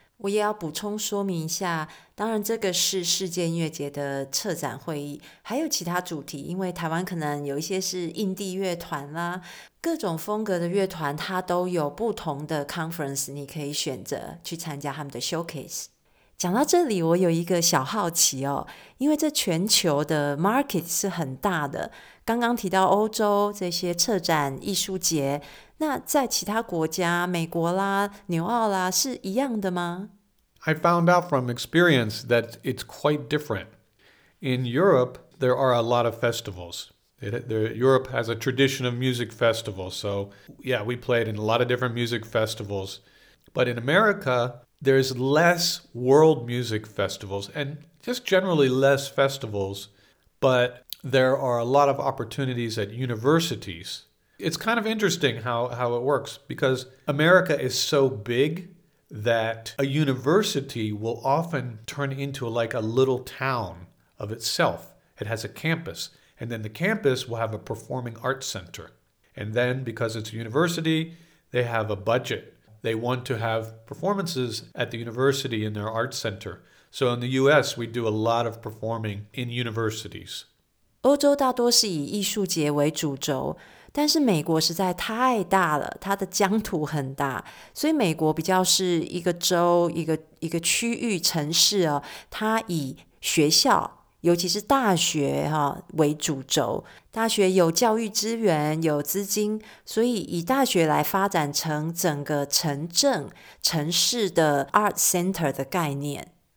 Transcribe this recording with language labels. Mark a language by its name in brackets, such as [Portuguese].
[Chinese] 我也要补充说明一下，当然这个是世界音乐节的策展会议，还有其他主题，因为台湾可能有一些是印地乐团啦，各种风格的乐团它都有不同的 conference, 你可以选择去参加他们的 showcase。讲到这里我有一个小好奇哦，因为这全球的 market 是很大的，刚刚提到欧洲这些策展艺术节，那在其他国家，美国啦、纽澳啦，是一样的吗？ [English] I found out from experience that it's quite different. In Europe, there are a lot of festivals. Europe has a tradition of music festivals, so yeah, we played in a lot of different music festivals. But in America,there's less world music festivals and just generally less festivals, but there are a lot of opportunities at universities. It's kind of interesting how it works because America is so big that a university will often turn into like a little town of itself. It has a campus and then the campus will have a performing arts center. And then because it's a university, they have a budget. They want to have performances at the university in their art center. So in the US, we do a lot of performing in universities. [Chinese] 欧洲大多是以艺术节为主轴，但是美国实在太大了，它的疆土很大，所以美国比较是一个州，一个区域城市哦，它以学校，尤其是大学哈为主轴，大学有教育资源，有资金，所以以大学来发展成整个城镇城市的 art center 的概念。